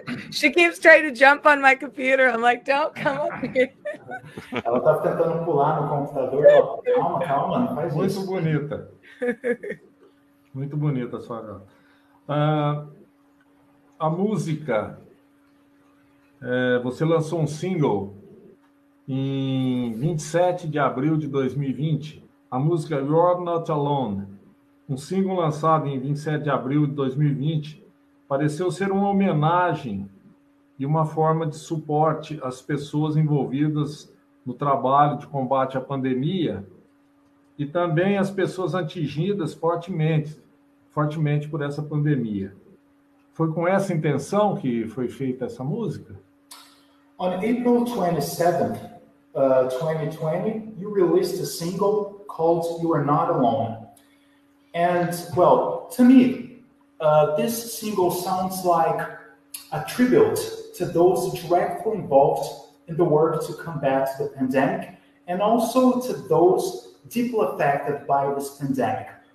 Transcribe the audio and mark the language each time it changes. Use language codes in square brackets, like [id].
[en] She keeps trying to jump on my computer. I'm like, don't come up here. [pt] Ela tá tentando pular no computador. Calma, calma, não faz muito isso. Bonita. Muito bonita a sua gata. A música, você lançou um single em 27 de abril de 2020, a música You're Not Alone. Um single lançado em 27 de abril de 2020 pareceu ser uma homenagem e uma forma de suporte às pessoas envolvidas no trabalho de combate à pandemia e também às pessoas atingidas fortemente por essa pandemia. Foi com essa intenção que foi feita essa música? [en] On April 27th, 2020, you released a single called You Are Not Alone. And, well, to me, this single sounds like a tribute to those directly involved in the work to combat the pandemic and also to those deeply affected by this pandemic.